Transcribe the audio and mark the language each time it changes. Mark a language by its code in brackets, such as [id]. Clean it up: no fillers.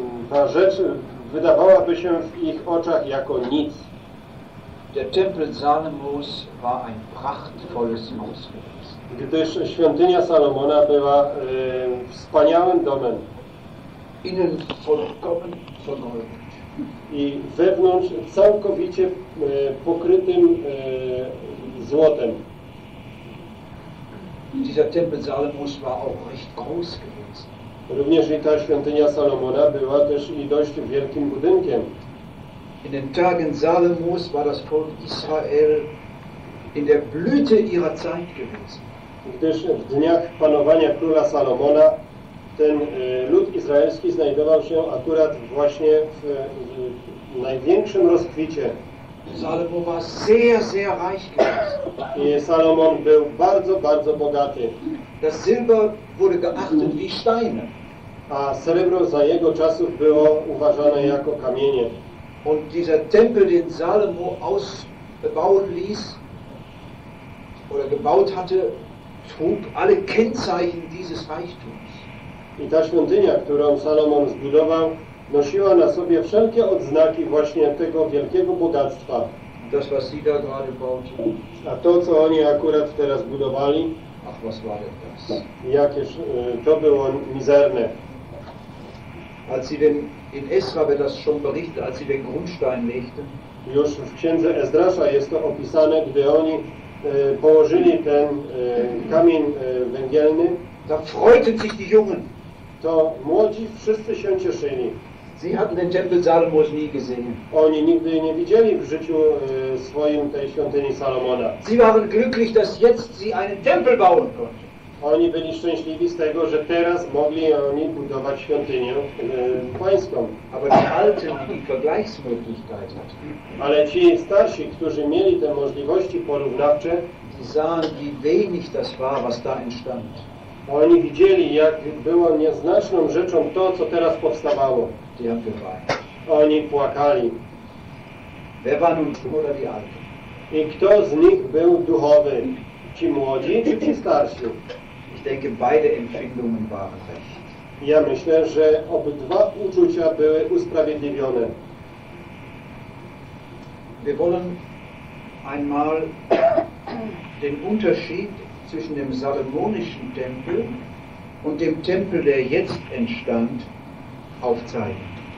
[pl] Ta rzecz wydawałaby się w ich oczach jako nic. [de] Der Tempel Salomos war ein prachtvolles Haus. [pl] Gdyż świątynia Salomona była wspaniałym domem. [de] Innen vollkommen vergoldet. [pl] I wewnątrz całkowicie pokrytym złotem. [de] Dieser Tempel Salomos war auch recht groß gewesen. [pl] Również i ta świątynia Salomona była też i dość wielkim budynkiem. [de] In den Tagen Salomos war das Volk Israel in der Blüte ihrer Zeit gewesen. [pl] Gdyż w dniach panowania króla Salomona ten lud izraelski znajdował się akurat właśnie w największym rozkwicie. [de] Salomo war sehr, sehr reich gewesen. [pl] I Salomon był bardzo, bardzo bogaty. [de] Das Silber wurde geachtet wie Steine. [pl] A srebro za jego czasów było uważane jako kamienie. [de] Und dieser Tempel, den Salomo ausbauen ließ, oder gebaut hatte, trug alle Kennzeichen dieses Reichtums. [pl] I ta świątynia, którą Salomon zbudował, nosiła na sobie wszelkie odznaki właśnie tego wielkiego bogactwa. [de] Das, was sie da gerade bauten. [pl] A to, co oni akurat teraz budowali, [de] ach, was war denn das? [pl] Jakież to było mizerne. [de] Als sie den, in Esra wird das schon berichtet, als sie den Grundstein legten. [pl] Już w księdze Esdrasza jest to opisane, gdy oni położyli ten kamień węgielny. [de] Da freuten sich die Jungen. [pl] To młodzi wszyscy się cieszyli. [de] Sie hatten den Tempel Salomos nie gesehen. [pl] Oni nigdy nie widzieli w życiu swoim tej świątyni Salomona. [de] Sie waren glücklich, dass jetzt sie einen Tempel bauen konnten. [pl] Oni byli szczęśliwi z tego, że teraz mogli oni budować świątynię pańską. [de] Aber die Alten, die Vergleichsmöglichkeit hatten. [pl] Ale ci starsi, którzy mieli te możliwości porównawcze, [de] die sahen, wie wenig das war, was da entstand. [pl] Oni widzieli, jak było nieznaczną rzeczą to, co teraz powstawało. [de] Die haben geweint. [pl] Oni płakali. [de] Wer war nun oder die Alten? [pl] I kto z nich był duchowy? Ci młodzi czy ci starsi? [de] Ich denke, beide Empfindungen waren recht. [pl] Ja myślę, że obydwa uczucia były usprawiedliwione. [de] Wir wollen einmal den Unterschied zwischen dem salomonischen Tempel und dem Tempel, der jetzt entstand, aufzeigen.